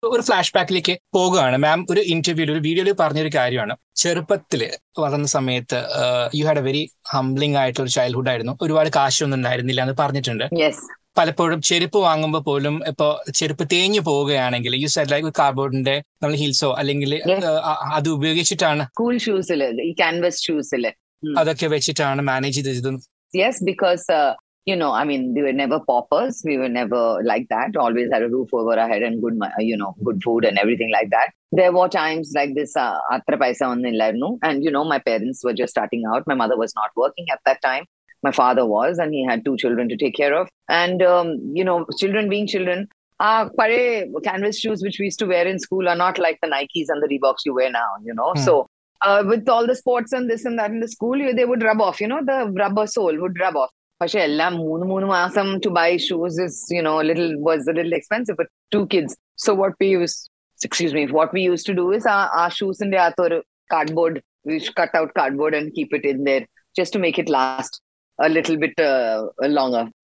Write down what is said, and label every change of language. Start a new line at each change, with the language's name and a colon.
Malayalam: ഒരു ഫ്ലാഷ് ബാക്കിലേക്ക് പോകുകയാണ്. മാം ഒരു ഇന്റർവ്യൂവിൽ, ഒരു വീഡിയോയിൽ പറഞ്ഞൊരു കാര്യമാണ്, ചെറുപ്പത്തിൽ വളർന്ന സമയത്ത്
English: you had a very humbling
Malayalam: ആയിട്ടുള്ള ഒരു ചൈൽഡ്ഹുഡ് ആയിരുന്നു, ഒരുപാട് കാശൊന്നും ഉണ്ടായിരുന്നില്ല എന്ന് പറഞ്ഞിട്ടുണ്ട്. പലപ്പോഴും ചെരുപ്പ് വാങ്ങുമ്പോൾ പോലും ഇപ്പൊ ചെരുപ്പ് തേഞ്ഞു പോവുകയാണെങ്കിൽ
English: you said like
Malayalam: കാർബോർഡിന്റെ നമ്മൾ ഹീൽസോ അല്ലെങ്കിൽ അത് ഉപയോഗിച്ചിട്ടാണ്, സ്കൂൾ ഷൂസിൽ, ഈ കാൻവാസ് ഷൂസിൽ അതൊക്കെ വെച്ചിട്ടാണ് മാനേജ് ചെയ്തത്.
English: Yes, because you know, I mean, we were never paupers. We were never like that. Always had a roof over our head and good, you know, good food and everything like that. There were times like this,
Malayalam: atra paisa onnillayirunnu.
English: And, you know, my parents were just starting out. My mother was not working at that time. My father was, and he had two children to take care of. And, you know, children being children, canvas shoes which we used to wear in school are not like the Nikes and the Reeboks you wear now, you know. So, with all the sports and this and that in the school, they would rub off, you know, the rubber sole would rub off.
Malayalam: പക്ഷെ എല്ലാം മൂന്ന് മാസം
English: To buy shoes is you know little was a little expensive for two kids. So what we use excuse me what we use to do is
Malayalam: ആ ഷൂസിന്റെ അകത്ത് ഒരു cardboard,
English: We cut out cardboard and keep it in there just to make it last a little bit longer.